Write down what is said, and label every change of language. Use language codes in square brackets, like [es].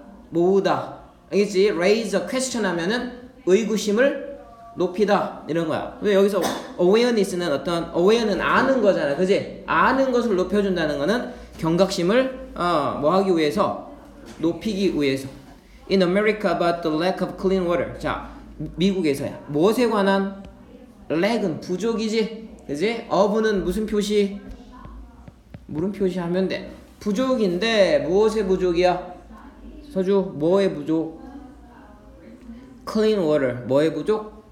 [ko] 모으다. 알겠지? [en] raise a question [ko] 하면은 의구심을 높이다 이런 거야. 근데 여기서 awareness는 어떤 aware는 아는 거잖아, 그지? 아는 것을 높여준다는 거는 경각심을 뭐 하기 위해서? 높이기 위해서. [en] In America about the lack of clean water. [ko] 자, 미국에서야 무엇에 관한? lack은 부족이지, 그지? of는 무슨 표시? 물음표시 하면 돼. 부족인데 무엇의 부족이야? 서주, 뭐의 부족? clean water, 뭐의 부족?